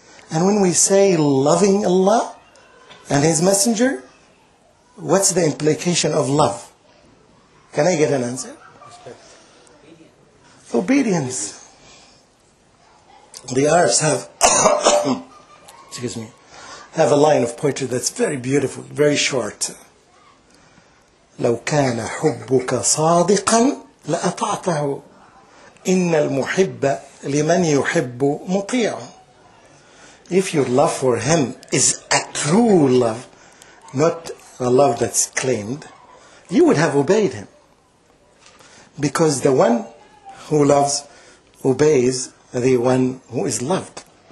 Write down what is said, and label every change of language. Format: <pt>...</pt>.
<en>And when we say loving Allah and His Messenger, what's the implication of love? Can I get an answer? Respect. Obedience. The Arabs have, excuse me, have a line of poetry that's very beautiful, very short.</en> <ar>لو كان حبك صادقا لأطعته إن المحب لمن يحب مطيع.</ar> <en>If your love for him is a true love, not a love that's claimed, you would have obeyed him. Because the one who loves obeys the one who is loved.</en>